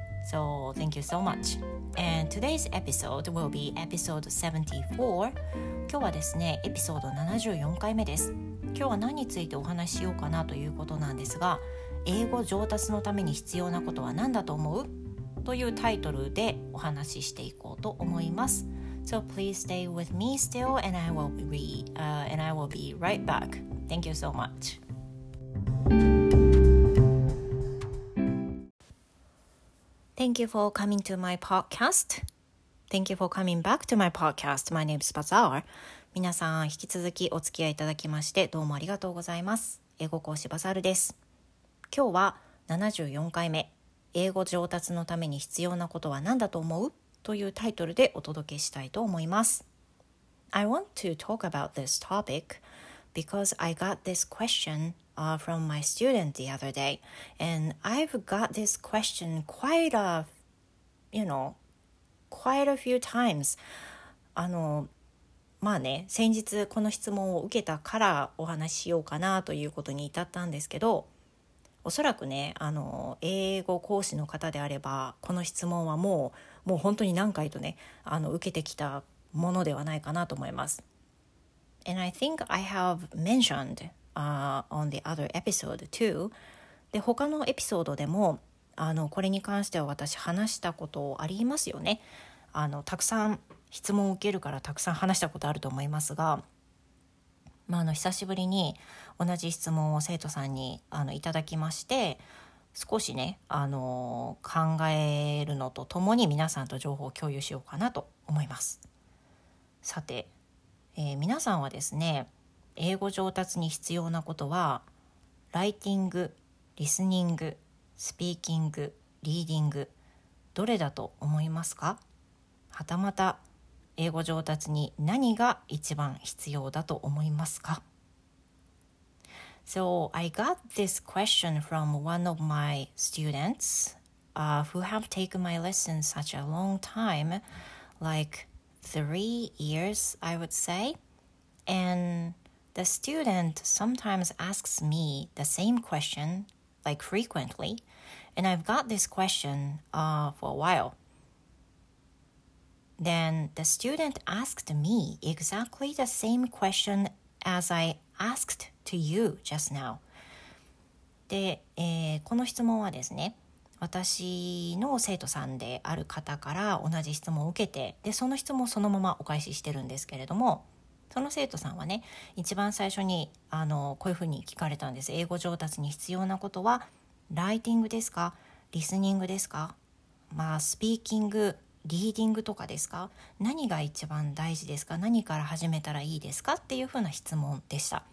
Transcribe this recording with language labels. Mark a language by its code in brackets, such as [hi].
[en] So thank you so much. And today's episode will be episode 74. [ja] 今日はですねエピソード74回目です。今日は何についてお話しようかなということなんですが、英語上達のために必要なことは何だと思う? というタイトルでお話ししていこうと思います。 [en] So please stay with me still and I will be, and I will be right back. Thank you so much. Thank you for coming to my podcast. Thank you for coming back to my podcast. My name is Bazaar. [ja] 皆さん引き続きお付き合いいただきましてどうもありがとうございます。英語講師バザールです。今日は74回目、英語上達のために必要なことは何だと思う? というタイトルでお届けしたいと思います。 [en] I want to talk about this topic because I got this question from my student the other day. And I've got this question quite a few times. [ja] まあね、先日この質問を受けたからお話ししようかなということに至ったんですけど、おそらくね、英語講師の方であれば、この質問はもう本当に何回とね、受けてきたものではないかなと思います。 [en] And I think I have mentioned, on the other episode too. [ja] で、他のエピソードでも、これに関しては私話したことありますよね。たくさん質問を受けるからたくさん話したことあると思いますが、まあ、久しぶりに同じ質問を生徒さんにいただきまして、少しね考えるのとともに皆さんと情報を共有しようかなと思います。さて、皆さんはですね、英語上達に必要なことはライティング、リスニング、スピーキング、リーディング、どれだと思いますか？はたまた英語上達に何が一番必要だと思いますか? [en] So I got this question from one of my students, who have taken my lesson such a long time, like 3 years, I would say. And the student sometimes asks me the same question, like frequently. And I've got this question, for a while. Then the student asked me exactly the same question as I asked to you just now. [ja] で、この質問はですね、私の生徒さんである方から同じ質問を受けて、で、その質問をそのままお返ししてるんですけれども、その生徒さんはね、一番最初にこういうふうに聞かれたんです。英語上達に必要なことはライティングですか、リスニングですか、まあスピーキング、リーディングとかですか、何が一番大事ですか、何から始めたらいいですかっていうふうな質問でした。